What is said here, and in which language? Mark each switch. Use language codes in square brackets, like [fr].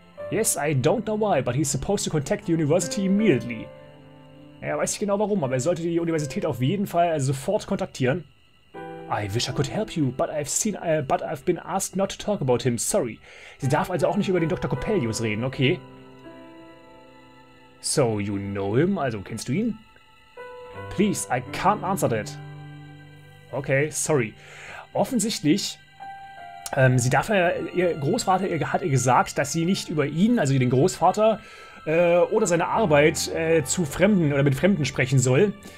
[en] Yes, I don't know why, but he's supposed to contact the university immediately. [de] Ja, weiß ich genau warum, aber er sollte die Universität auf jeden Fall sofort kontaktieren. [en] I wish I could help you, but I've been asked not to talk about him, sorry. [de] Sie darf also auch nicht über den Dr. Coppelius reden, okay? [en] So, you know him? [de] Also, kennst du ihn? [en] Please, I can't answer that. Okay, sorry. [de] Offensichtlich, sie darf ja, ihr Großvater hat ihr gesagt, dass sie nicht über ihn, also den Großvater, oder seine Arbeit zu Fremden oder mit Fremden sprechen soll.